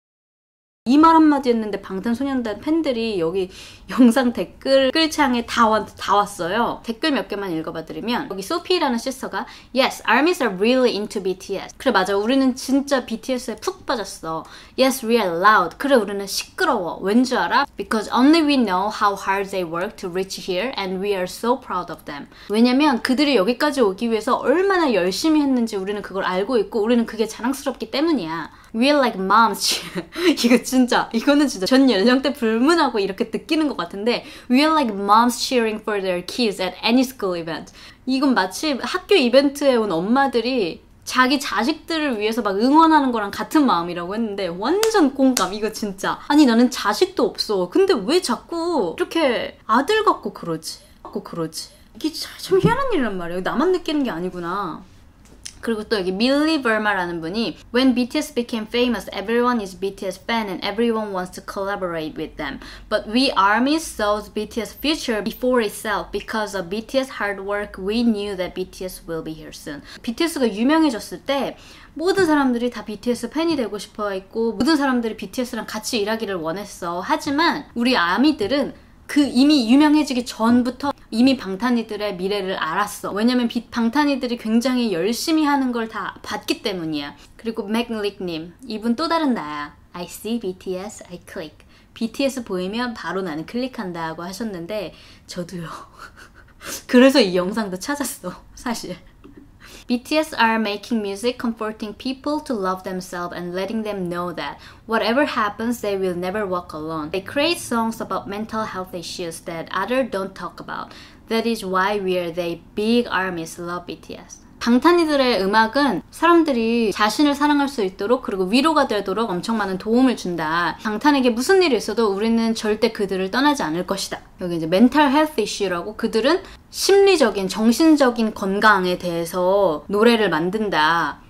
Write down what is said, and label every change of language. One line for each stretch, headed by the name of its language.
Korean: BTS 했는데 방탄소년단 팬들이 여기 영상 댓글창에 다 왔어요. 댓글 몇 개만 읽어봐드리면, 여기 소피라는 시스터가
English: Yes, ARMYs are really into BTS.
Korean: 그래 맞아, 우리는 진짜 BTS에 푹 빠졌어.
English: Yes, we are loud.
Korean: 그래 우리는 시끄러워. 왠지 알아?
English: Because only we know how hard they work to reach here and we are so proud of them.
Korean: 왜냐면 그들이 여기까지 오기 위해서 얼마나 열심히 했는지 우리는 그걸 알고 있고, 우리는 그게 자랑스럽기 때문이야.
English: We're like moms.
Korean: 이거 진짜, 이거는 진짜 전 연령대 불문하고 이렇게 느끼는 것 같은데,
English: We're like moms cheering for their kids at any school event.
Korean: 이건 마치 학교 이벤트에 온 엄마들이 자기 자식들을 위해서 막 응원하는 거랑 같은 마음이라고 했는데, 완전 공감, 이거 진짜. 아니, 나는 자식도 없어. 근데 왜 자꾸 이렇게 아들 갖고 그러지? 갖고 그러지? 이게 참 희한한 일이란 말이야. 나만 느끼는 게 아니구나. 그리고 또 여기 밀리 벌마라는 분이
English: When BTS became famous, everyone is BTS fan and everyone wants to collaborate with them. But we ARMYs saw BTS future before itself because of BTS hard work. We knew that BTS will be here soon.
Korean: BTS가 유명해졌을 때 모든 사람들이 다 BTS 팬이 되고 싶어 했고, 모든 사람들이 BTS랑 같이 일하기를 원했어. 하지만 우리 아미들은 그 이미 유명해지기 전부터 이미 방탄이들의 미래를 알았어. 왜냐면 방탄이들이 굉장히 열심히 하는 걸다 봤기 때문이야. 그리고 맥릭님, 이분 또 다른 나야.
English: I see BTS, I click.
Korean: BTS 보이면 바로 나는 클릭한다고 하셨는데, 저도요. 그래서 이 영상도 찾았어, 사실.
English: BTS are making music comforting people to love themselves and letting them know that whatever happens, they will never walk alone. They create songs about mental health issues that others don't talk about. That is why we are the big armies love BTS.
Korean: 방탄이들의 음악은 사람들이 자신을 사랑할 수 있도록 그리고 위로가 되도록 엄청 많은 도움을 준다. 방탄에게 무슨 일이 있어도 우리는 절대 그들을 떠나지 않을 것이다. 여기 이제 mental health issue라고 그들은 심리적인, 정신적인 건강에 대해서 노래를 만든다.